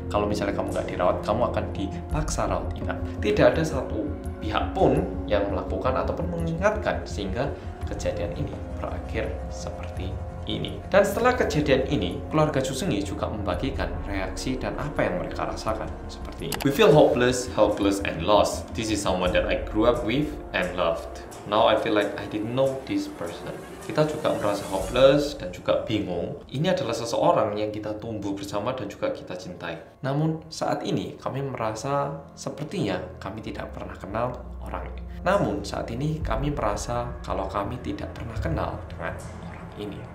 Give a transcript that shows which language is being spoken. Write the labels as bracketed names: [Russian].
[Indonesian] Kalau misalnya kamu nggak dirawat, kamu akan dipaksa rawat inap. Tidak ada satu pihak pun yang melakukan ataupun mengingatkan sehingga kejadian ini berakhir seperti ini. Dan setelah kejadian ini, keluarga Chusengi juga membagikan reaksi dan apa yang mereka rasakan seperti ini. [English] "We feel hopeless, helpless, and lost. This is someone that I grew up with and loved. Now I feel like I didn't know this person." [Indonesian] Kita juga merasa hopeless dan juga bingung. Ini adalah seseorang yang kita tumbuh bersama dan juga kita cintai. Namun saat ini kami merasa sepertinya kami tidak pernah kenal orang ini. Namun saat ini kami merasa kalau kami tidak pernah kenal dengan orang ini.